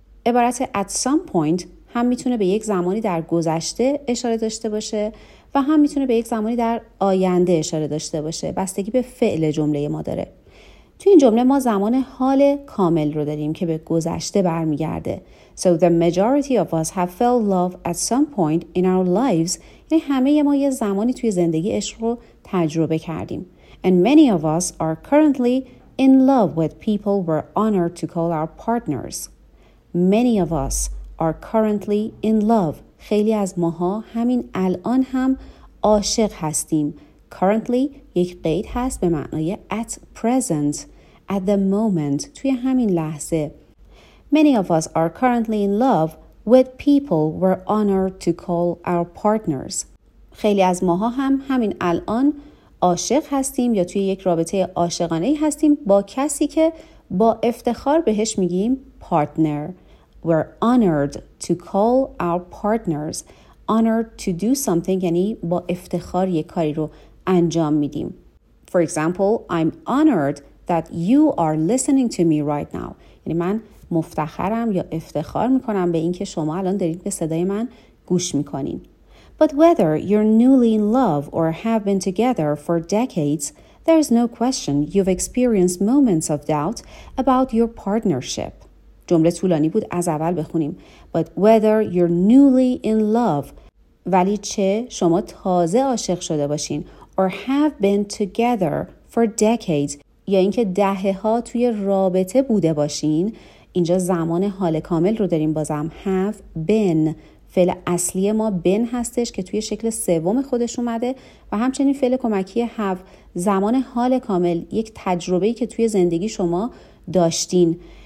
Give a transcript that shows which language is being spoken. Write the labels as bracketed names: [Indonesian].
[Persian] عبارت [English] at some point [Persian] هم میتونه به یک زمانی در گذشته اشاره داشته باشه و هم میتونه به یک زمانی در آینده اشاره داشته باشه، بستگی به فعل جمله ما داره. تو این جمله ما زمان حال کامل رو داریم که به گذشته برمیگرده. [English] So the majority of us have felt love at some point in our lives. [Persian] یعنی همه ما یه زمانی توی زندگی عشق رو تجربه کردیم. [English] And many of us are currently in love with people we're honored to call our partners. Many of us are currently in love. [Persian] خیلی از ماها همین الان هم عاشق هستیم. Currently یک قید هست به معنای [English] at present, at the moment، [Persian] توی همین لحظه. [English] Many of us are currently in love with people we're honored to call our partners. [Persian] خیلی از ماها هم همین الان عاشق هستیم یا توی یک رابطه عاشقانه‌ای هستیم با کسی که با افتخار بهش میگیم partner. [English] We're honored to call our partners. Honored to do something [Persian] یعنی با افتخار یک کاری رو انجام میدیم. [English] For example, I'm honored that you are listening to me right now. [Persian] یعنی من مفتخرم یا افتخار میکنم به اینکه شما الان دارید به صدای من گوش میکنین. [English] But whether you're newly in love or have been together for decades, there is no question you've experienced moments of doubt about your partnership. [Persian] جمله طولانی بود از اول بخونیم. [English] But whether you're newly in love, [Persian] ولی چه شما تازه عاشق شده باشین, [English] or have been together for decades, [Persian] یا اینکه دهه ها توی رابطه بوده باشین, اینجا زمان حال کامل رو داریم بازم, have been, فعل اصلی ما been هستش که توی شکل سوم خودش اومده و همچنین فعل کمکی have, زمان حال کامل, یک تجربه‌ای که توی زندگی شما داشتین.